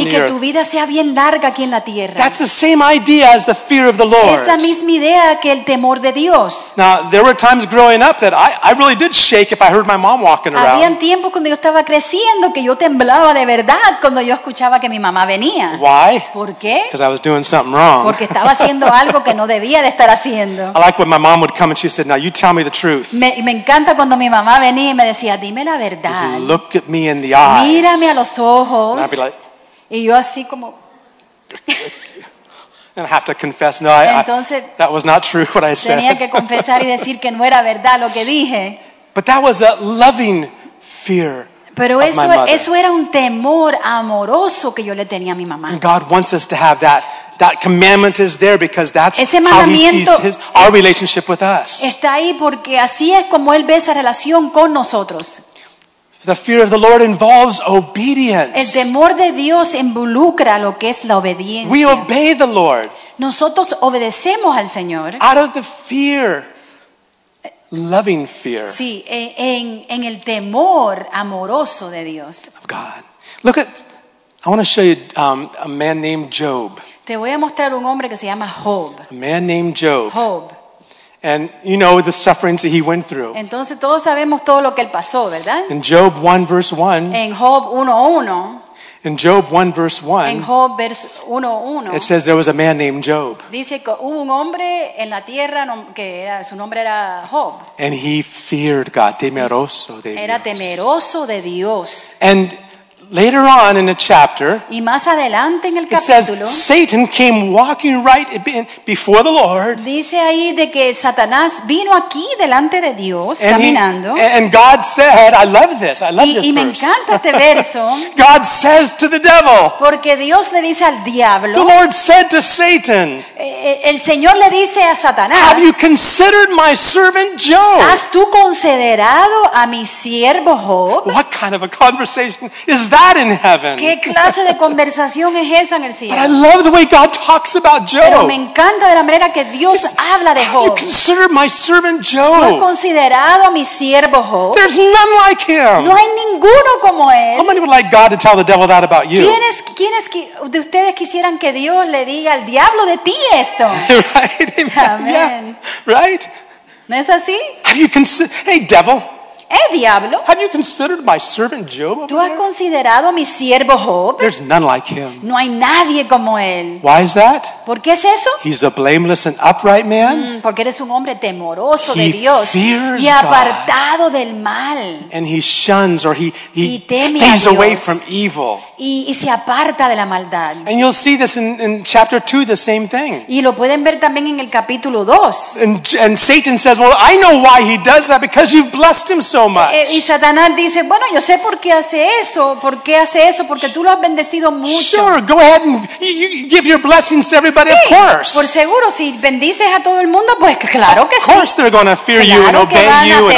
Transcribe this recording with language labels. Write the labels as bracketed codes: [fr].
[es] y que tu vida sea bien larga aquí en la tierra. [en] That's the same idea as the fear of the Lord. [es] Es la misma idea que el temor de Dios. [en] Now, there were times growing up that I really did shake if I heard my mom walking around. [es] Había tiempos cuando yo estaba creciendo que yo temblaba de verdad cuando yo escuchaba que mi mamá venía. [en] Why? [es] ¿Por qué? [en] Because I was doing something wrong. [es] Porque estaba haciendo algo que no debía de estar haciendo. [en] I like when my mom would come and she said, "Now you tell me the truth." [es] Me encanta cuando mi mamá venía y me decía, "Dime la verdad." [en] Look at me in the eyes. [es] Mírame a los ojos. [en] And I'd be like, [es] y yo así como [en] and I have to confess, no, that was not true what I said. [es] Tenía que confesar y decir que no era verdad lo que dije. [en] But that was a loving fear. [es] Pero eso era un temor amoroso que yo le tenía a mi mamá. [en] And God wants us to have that. That commandment is there because that's how he sees our relationship with us. [es] Está ahí porque así es como él ve esa relación con nosotros. [en] The fear of the Lord involves obedience. [es] El temor de Dios involucra lo que es la obediencia. [en] We obey the Lord. [es] Nosotros obedecemos al Señor. [en] Out of the fear, loving fear. [es] Sí, en el temor amoroso de Dios. [en] Of God. Look at, I want to show you a man named Job. [es] Te voy a mostrar un hombre que se llama Job. [en] A man named Job. [es] Job. [en] And you know the sufferings that he went through. [es] Entonces todos sabemos todo lo que él pasó, ¿verdad? [en] In Job 1:1. [es] En Job 1:1. [en] In Job 1 verse 1, [es] en Job verso 1:1, [en] it says there was a man named Job. [es] Dice que hubo un hombre en la tierra que era, su nombre era Job. [en] And he feared God, [es] temeroso de Dios. Era temeroso de Dios. [en] And later on in the chapter, [es] y más adelante en el [en] it [es] capítulo, [en] says Satan came walking right before the Lord. [es] Dice ahí de que Satanás vino aquí delante de Dios [en] and [es] caminando. [en] And God said, "I love this. I love [es] y, [en] this [es] y Y me encanta este verso. [en] God says to the devil. [es] Porque Dios le dice al diablo. [en] The Lord said to Satan. [es] El Señor le dice a Satanás. [en] Have you considered my servant Job? [es] ¿Has tú considerado a mi siervo Job? [en] What kind of a conversation is that in heaven? [es] ¿Qué clase de conversación es esa en el cielo? [en] But I love the way God talks about Job. [es] Pero me encanta de la manera que Dios habla de Job. [en] You consider my servant Job. [es] ¿Has considerado a mi siervo Job? [en] There's none like him. [es] No hay ninguno como él. [en] How many would like God to tell the devil that about you? [es] ¿Quiénes de ustedes quisieran que Dios le diga al diablo de ti esto? [en] Right? Amen. [es] Amen. [en] Yeah. Right? [es] ¿No es así? [en] Have you considered, hey devil? [es] Hey, diablo. [en] Have you considered my servant Job? [es] ¿Tú has considerado a mi siervo Job? [en] There's none like him. [es] No hay nadie como él. [en] Why is that? [es] ¿Por qué es eso? [en] He's a blameless and upright man. [es] Porque eres un hombre temeroso de Dios. [en] He fears [es] y apartado [en] God. [es] Del mal. [en] And he shuns or he stays away from evil. [es] Y se aparta de la maldad. [en] And you'll see this in chapter 2 the same thing. [es] Y lo pueden ver también en el capítulo 2. [en] And Satan says, "Well, I know why he does that because you've blessed him so much." [es] Y Satanás dice, bueno, yo sé por qué hace eso, porque tú lo has bendecido mucho. [en] Sure, go ahead and you give your blessings to everybody, [es] sí, [en] of course. [es] Por seguro, si bendices a todo el mundo, pues claro que sí. [en] Of course they're going to fear you and obey you and honor you.